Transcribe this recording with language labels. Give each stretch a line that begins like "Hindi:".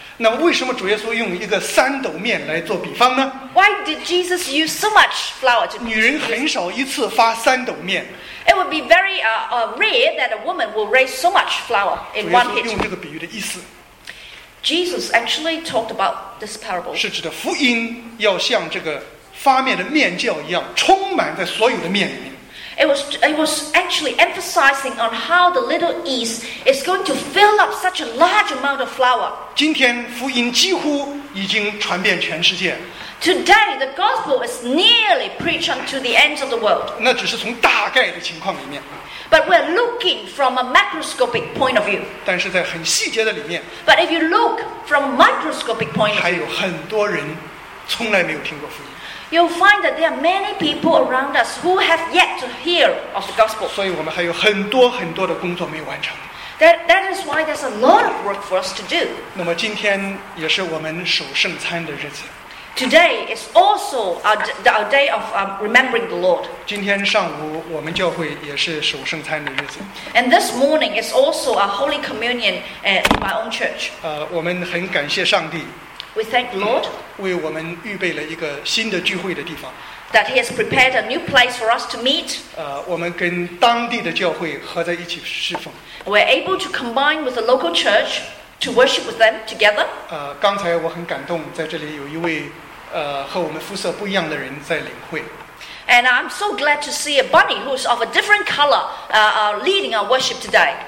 Chinese: 那为什么主耶稣用一个三斗面来做比方呢？
English: Why did Jesus use so much flour to?
Chinese: 女人很少一次发三斗面。
English: It would be very rare that a woman will raise so much flour in one hit.
Chinese: 用这个比喻的意思。
English: Jesus actually talked about this parable.
Chinese: 是指的福音要像这个发面的面酵一样，充满在所有的面里面。
English: It was actually emphasizing on how the little yeast is going to fill up such a large amount of flour.
Chinese: 今天福音几乎已经传遍全世界。
English: Today the gospel is nearly preached unto the ends of the world.
Chinese: 那只是从大概的情况里面。
English: But we're looking from a macroscopic point of view.
Chinese: 但是在很细节的里面。
English: But if you look from a microscopic point of view,
Chinese: 还有很多人从来没有听过福音。
English: You'll find that there are many people around us who have yet to hear of the gospel.
Chinese: 所以我们还有很多很多的工作没完成。
English: That is why there's a lot of work for us to do.
Chinese: 那么今天也是我们守圣餐的日子。
English: Today is also our day of remembering the Lord.
Chinese: 今天上午我们教会也是守圣餐的日子。
English: And this morning is also our Holy Communion in my own church.
Chinese: 我们很感谢上帝。
English: We thank the Lord
Chinese: 为我们预备了一个新的聚会的地方。
English: That He has prepared a new place for us to meet.
Chinese: 我们跟当地的教会合在一起侍奉。
English: We're able to combine with the local church to worship with them together.
Chinese: 刚才我很感动，在这里有一位和我们肤色不一样的人在领会。
English: And I'm so glad to see a bunny who is of a different color leading our worship today.